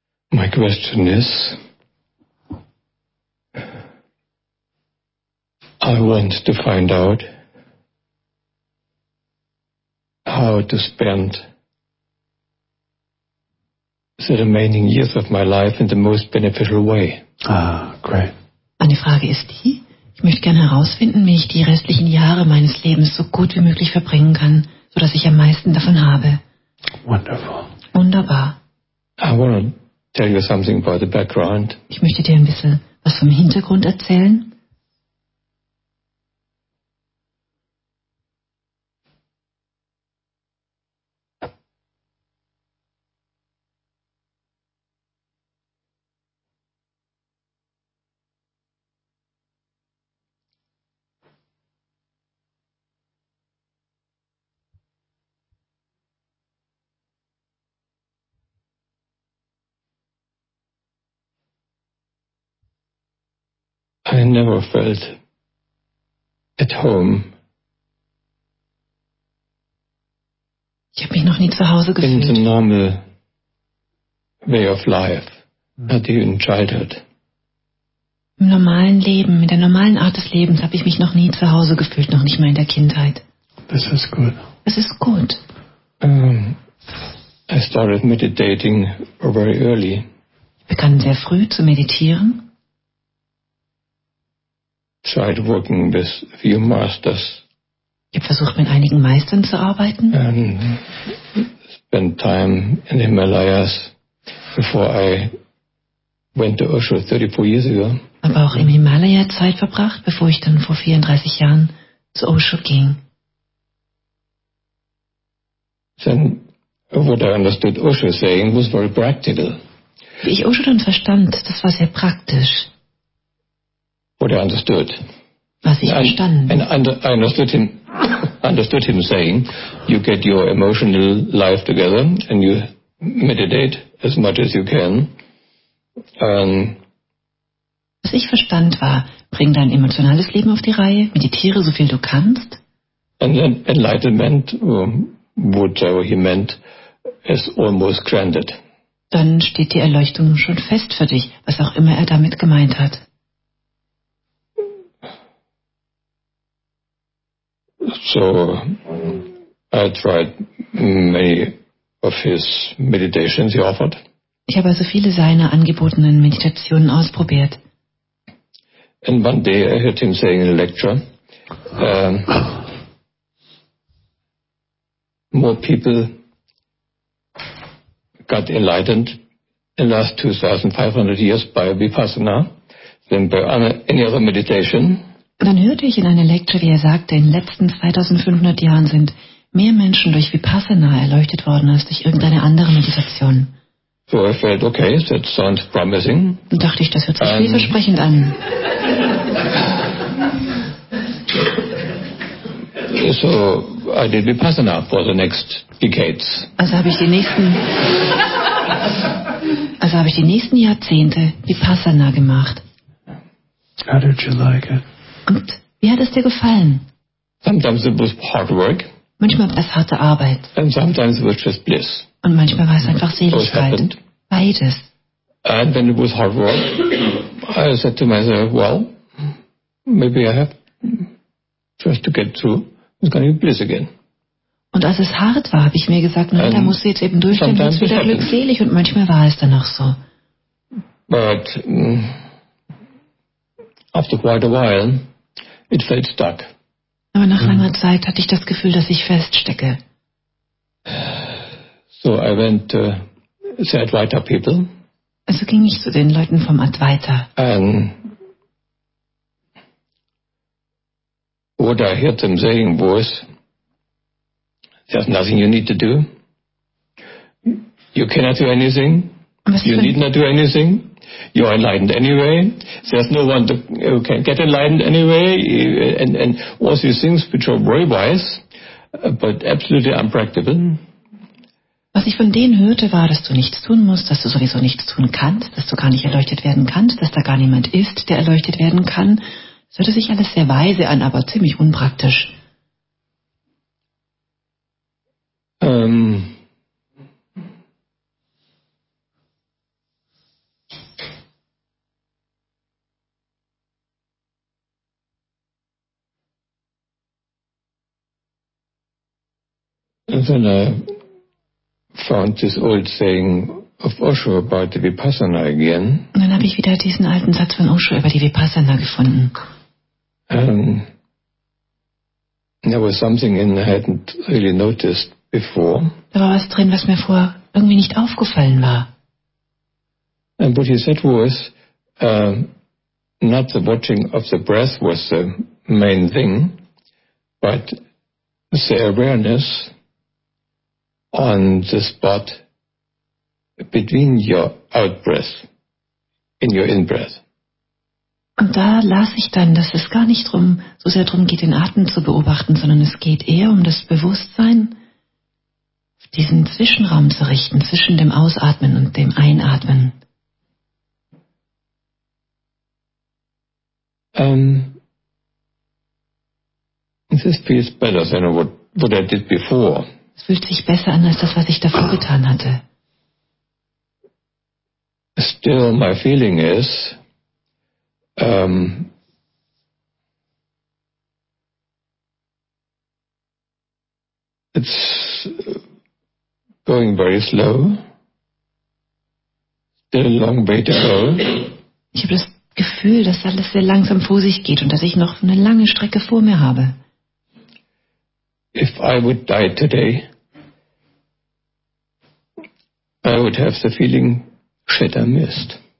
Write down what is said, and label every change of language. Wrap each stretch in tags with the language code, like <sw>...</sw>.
<en>My question is, I want to find out how to spend the remaining years of my life in the most beneficial way. Ah, great.</en> <de>Eine Frage ist die, ich möchte gerne herausfinden, wie ich die restlichen Jahre meines Lebens so gut wie möglich verbringen kann, sodass ich am meisten davon habe.</de> <en>Wonderful.</en> <de>Wunderbar.</de> <en>I want to tell you something about the background.</en> <de>Ich möchte dir ein bisschen was vom Hintergrund erzählen.</de> <en>I never felt at home.</en> <de>Ich habe mich noch nie zu Hause gefühlt.</de> <en>In the normal way of life, not even childhood.</en> <de>Im normalen Leben, in der normalen Art des Lebens, habe ich mich noch nie zu Hause gefühlt, noch nicht mal in der Kindheit.</de> <en>This is good.</en> <de>Das ist gut.</de> <en>I started meditating very early.</en> <de>Ich begann sehr früh zu meditieren.</de> <en>Tried working with a few masters.</en> <de>Ich habe versucht, mit einigen Meistern zu arbeiten.</de> <en>Spent time in the Himalayas before I went to Osho 34 years ago.</en> <de>Aber auch im Himalaya Zeit verbracht, bevor ich dann vor 34 Jahren zu Osho ging.</de> <en>Then what I understood Osho saying was very practical.</en> <de>Wie ich Osho dann verstand, das war sehr praktisch.</de> <en>What I understood.</en> <de>Was ich verstanden.</de> <en>I understood him saying, you get your emotional life together and you meditate as much as you can.</en> <de>Was ich verstand war, bring dein emotionales Leben auf die Reihe, meditiere so viel du kannst.</de> <en>And then enlightenment, whatever he meant, is almost granted.</en> <de>Dann steht die Erleuchtung schon fest für dich, was auch immer er damit gemeint hat.</de> <en>So, I tried many of his meditations he offered.</en> <de>Ich habe also viele seiner angebotenen Meditationen ausprobiert.</de> <en>And one day I heard him saying in a lecture, more people got enlightened in the last 2500 years by Vipassana than by any other meditation.</en> <de>Und dann hörte ich in einer Lecture, wie er sagte, in den letzten 2500 Jahren sind mehr Menschen durch Vipassana erleuchtet worden als durch irgendeine andere Meditation.</de> <en>So I felt, okay, that sounds promising.</en> <de>Und dachte ich, das hört sich vielversprechend an.</de> <en>So I did Vipassana for the next decades.</en> <de>Also habe ich die nächsten Jahrzehnte Vipassana gemacht.</de> <en>How did you like it?</en> <de>Und wie hat es dir gefallen?</de> <en>Sometimes it was hard work.</en> <de>Manchmal war es harte Arbeit.</de> <en>And sometimes it was just bliss.</en> <de>Und manchmal war es einfach Seligkeit. Beides.</de> <en>And when it was hard work, I said to myself, well, maybe I have just to get through, it's going to be bliss again.</en> <de>Und als es hart war, habe ich mir gesagt, nein, da musst du jetzt eben durch, dann wird es wieder glückselig. Und manchmal war es dann auch so.</de> <en>But after quite a while, it felt stuck.</en> <de>Aber nach langer Zeit hatte ich das Gefühl, dass ich feststecke.</de> <en>So I went to the Advaita people.</en> <de>Also ging ich zu den Leuten vom Advaita.</de> <en>What I heard them saying was, there's nothing you need to do. You cannot do anything. You need not do anything. You are enlightened anyway. There's no one who can get enlightened anyway. And all these things which are very wise, but absolutely unpractical.</en> <de>Was ich von denen hörte, war, dass du nichts tun musst, dass du sowieso nichts tun kannst, dass du gar nicht erleuchtet werden kannst, dass da gar niemand ist, der erleuchtet werden kann. Es hörte sich alles sehr weise an, aber ziemlich unpraktisch.</de> <en>And then I found this old saying of Osho about the Vipassana again.</en> <de>Und dann habe ich wieder diesen alten Satz von Osho über die Vipassana gefunden.</de> <en>There was something in I hadn't really noticed before.</en> <de>Da war was drin, was mir vorher irgendwie nicht aufgefallen war.</de> <en>And what he said was, not the watching of the breath was the main thing, but the awareness on the spot between your out-breath and your in-breath.</en> <de>Und da las ich dann, dass es gar nicht drum, so sehr darum geht, den Atem zu beobachten, sondern es geht eher um das Bewusstsein, diesen Zwischenraum zu richten, zwischen dem Ausatmen und dem Einatmen.</de> <en>This feels better than what I did before.</en> <de>Es fühlt sich besser an als das, was ich davor getan hatte.</de> <en>Still, my feeling is, it's going very slow. Still a long way to go.</en> <de>Ich habe das Gefühl, dass alles sehr langsam vor sich geht und dass ich noch eine lange Strecke vor mir habe.</de> <en>If I would die today, I would have the feeling shit I missed.</en>